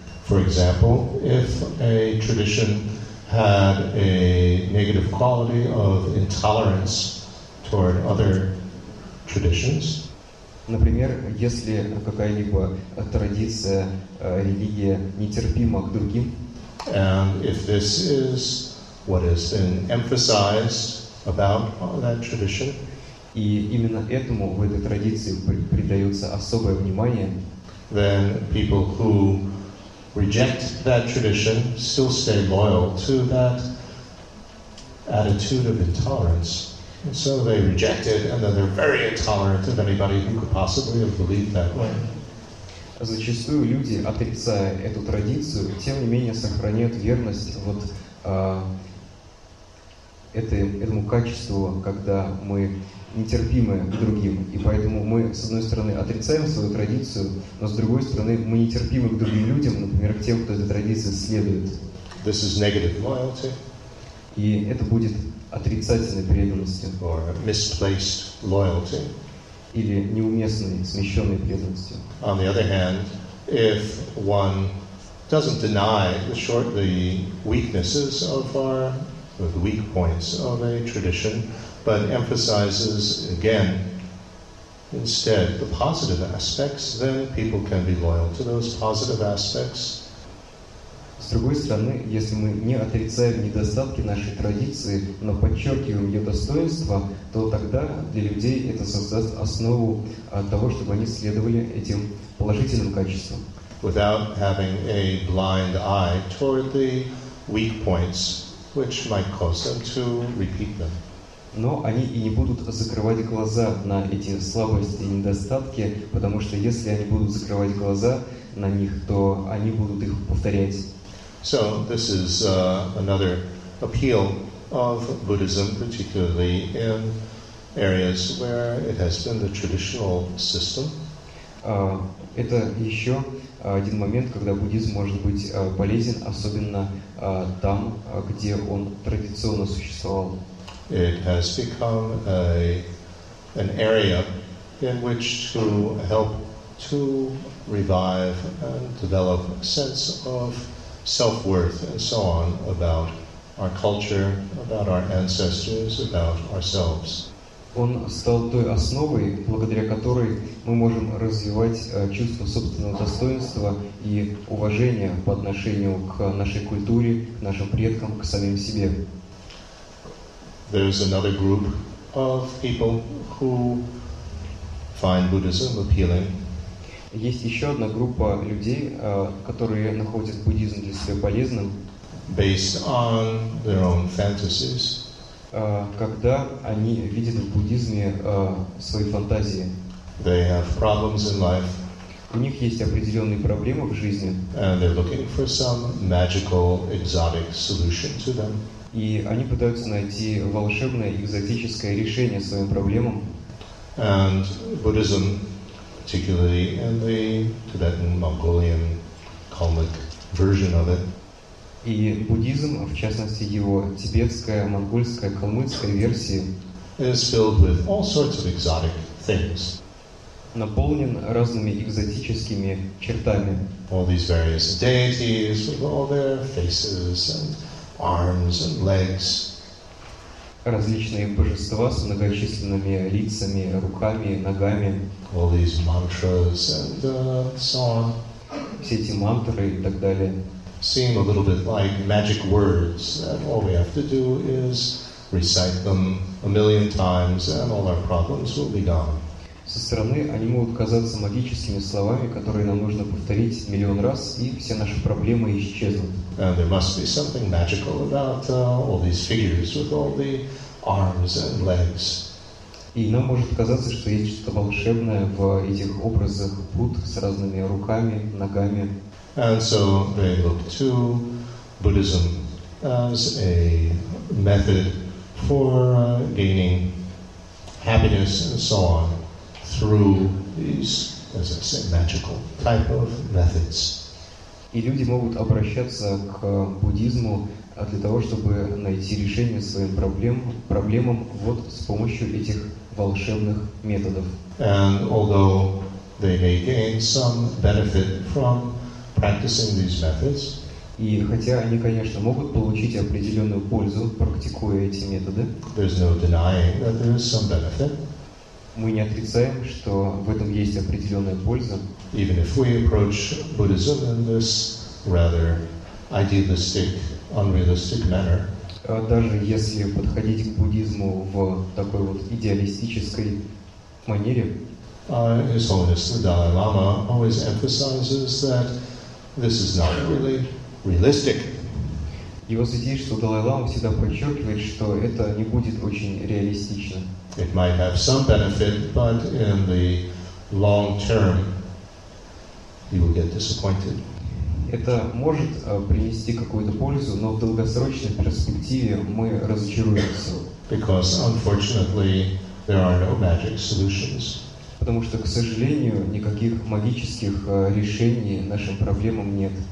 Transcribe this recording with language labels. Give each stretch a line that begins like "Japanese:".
English: For example, if a tradition had a negative quality of intolerance toward other traditions.
Russian: Например, если какая-либо традиция, религия нетерпима к другим.
English: And if this is what has been emphasized about that tradition.
Russian: И именно этому в этой традиции придается особое внимание.
English: Then people who reject that tradition still stay loyal to that attitude of intolerance. And so they reject it, and then they're very intolerant of anybody who could possibly have believed that way.
Russian: Зачастую люди, отрицая эту традицию, тем не менее сохраняют верность вот этому качеству, когда мы нетерпимы к другим. И поэтому мы, с одной стороны, отрицаем свою традицию, но с другой стороны, мы нетерпимы к другим людям, например, к тем, кто этой традиции следует.
English: This is negative loyalty.
Russian: И это будет отрицательной преданностью.
English: Or misplaced loyalty.
Russian: Или неуместной, смещенной преданностью.
English: On the other hand, if one doesn't deny the weaknesses of the weak points of a tradition, but emphasizes again instead the positive aspects, then people can be loyal to those positive aspects.
Russian: С другой стороны, если мы не отрицаем недостатки нашей традиции, но подчеркиваем ее достоинства, то тогда для людей это создаст основу того, чтобы они следовали этим положительным качествам.
English: Without having a blind eye toward the weak points, which might cause them to repeat them.
Russian: Но они и не будут закрывать глаза на эти слабости и недостатки, потому что если они будут закрывать глаза на них, то они будут их повторять.
English: So this is another appeal of Buddhism, particularly in areas where it has been the traditional system.
Russian: Это еще один момент, когда буддизм может быть полезен, особенно там, где он традиционно существовал.
English: It has become an area in which to help to revive and develop a sense of self-worth and so on about our culture, about our ancestors, about ourselves.
Russian: Он стал той основой, благодаря которой мы можем развивать чувство собственного достоинства и уважения по отношению к нашей культуре, к нашим предкам, к самим себе.
English: There's another group of people who find Buddhism appealing.
Russian: Есть еще одна группа людей, которые находят буддизм для себя полезным.
English: Based on their own fantasies.
Russian: Когда они видят в буддизме свои фантазии.
English: They have problems in life.
Russian: У них есть определенные проблемы в жизни.
English: And they're looking for some magical, exotic solution to them.
Russian: И они пытаются найти волшебное, экзотическое решение своим проблемам.
English: And Buddhism, particularly in the Tibetan-Mongolian Kalmyk version of it.
Russian: И буддизм, в частности, его тибетская, монгольская, калмыцкая версия,
English: is filled with all sorts of exotic things.
Russian: Наполнен разными экзотическими чертами.
English: All these various deities with all their faces and arms and legs.
Russian: Различные божества с многочисленными лицами, руками, ногами.
English: All these mantras and so on.
Russian: Все эти мантры и так далее.
English: Seem a little bit like magic words, that all we have to do is recite them a million times and all our problems will be gone.
Russian: Со стороны они могут казаться магическими словами, которые нам нужно повторить миллион раз, и все наши проблемы исчезнут.
English: And there must be something magical about all these figures with all the arms and legs.
Russian: И нам может казаться, что есть что-то волшебное в этих образах Будд с разными руками, ногами.
English: And so they look to Buddhism as a method for gaining happiness and so on through these, as I say, magical type of methods.
Russian: И люди могут обращаться к буддизму для того, чтобы найти решение своим проблемам вот с помощью этих волшебных методов.
English: And although they may gain some benefit from practicing these methods,
Russian: И хотя они, конечно, могут получить определенную пользу, практикуя эти методы,
English: there's no denying that there is some benefit.
Russian: Мы не отрицаем, что в этом есть определенная польза.
English: Even if we approach Buddhism in this rather idealistic, unrealistic manner,
Russian: даже если подходить к буддизму в такой вот идеалистической манере,
English: His Holiness the Dalai Lama always emphasizes that this is not really realistic.
Russian: Его святейшество Далай Лама всегда подчеркивает, что это не будет очень реалистично.
English: It might have some benefit, but in the long term, you will get disappointed.
Russian: Это может принести какую-то пользу, но в долгосрочной перспективе мы разочаруемся.
English: Because unfortunately, there are no magic solutions.
Russian: Потому что, к сожалению, никаких магических решений нашим проблемам нет.